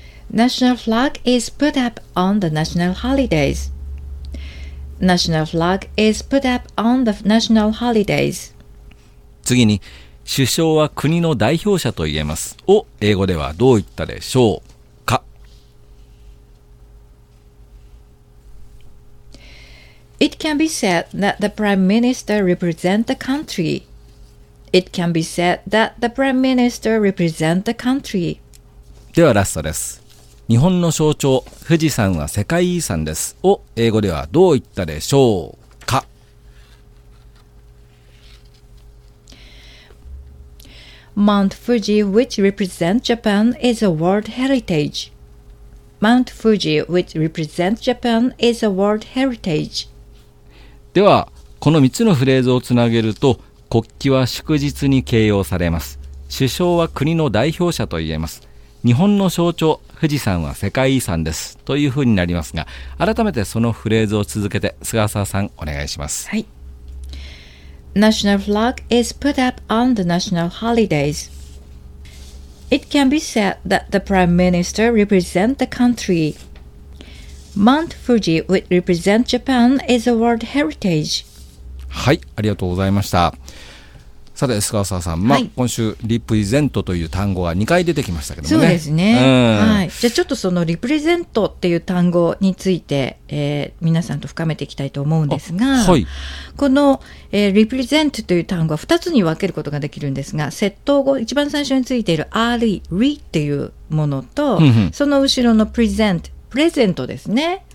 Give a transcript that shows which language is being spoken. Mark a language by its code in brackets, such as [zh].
[en] National flag is put up on the national holidays. National flag is put up on the national holidays. [ja] 次に、首相は国の代表者と言えますを英語ではどう言ったでしょうか？ [en] It can be said that the prime minister represents the country. It can be said that the prime minister represents the country. [ja] ではラストです。日本の象徴、富士山は世界遺産ですを英語ではどう言ったでしょうか？ [en] Mount Fuji, which represents Japan, is a world heritage. Mount Fuji, which represents Japan, is a world heritage. [ja] ではこの3つのフレーズをつなげると、国旗は祝日に掲揚されます、首相は国の代表者と言えます、日本の象徴、富士山は世界遺産です、というふうになりますが、改めてそのフレーズを続けて菅沢さんお願いします。はい。 [en] National flag is put up on the national holidays. It can be said that the prime minister represents the country. Mount Fuji, which represents Japan, is a world heritage. [ja] はい、ありがとうございました。さて菅沢さん、はい、今週リプレゼントという単語が2回出てきましたけどもね。そうですね、はい、じゃあちょっとそのリプレゼントっていう単語について、皆さんと深めていきたいと思うんですが、はい、この、リプレゼントという単語は2つに分けることができるんですが、接頭語、一番最初についている RE っていうものと、うんうん、その後ろのプレゼント、プレゼントですね、